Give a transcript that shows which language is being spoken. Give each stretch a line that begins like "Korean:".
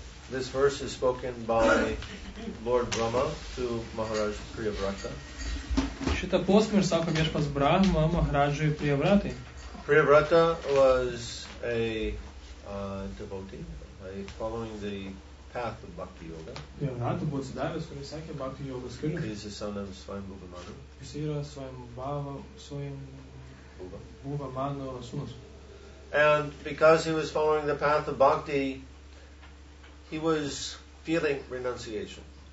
English: This verse is spoken by Lord Brahma to Maharaj Priyavrata.
Lithuanian: Šita posmė ir sako viešpas Brahma Maharajui Priyavratai.
English: Priyavrata was a devotee, following the path of Bhakti Yoga.
Lithuanian: Priyavrata buvo atsidavęs, kuris sekė Bhakti Yogos keliu.
English: He is the son of Svayambhuvamanu.
Lithuanian: Jis yra Svayambhuvamanu sūnus.
English: And because he was following the path of Bhakti, he was feeling renunciation.